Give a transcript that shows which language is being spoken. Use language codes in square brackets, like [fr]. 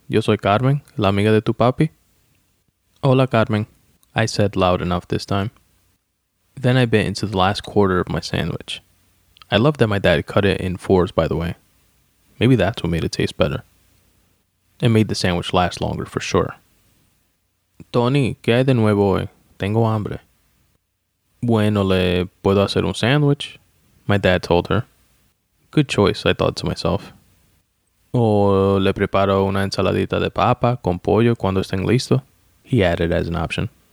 [es] Yo soy Carmen, la amiga de tu papi. Hola, [en] Carmen, I said loud enough this time. Then I bit into the last quarter of my sandwich. I love that my dad cut it in fours, by the way. Maybe that's what made it taste better. It made the sandwich last longer, for sure. [es] Tony, ¿qué hay de nuevo hoy? Tengo hambre. Bueno, le puedo hacer un sandwich, [en] my dad told her. Good choice, I thought to myself. [es] O le preparo una ensaladita de papa con pollo cuando estén listos, [en] he added as an option.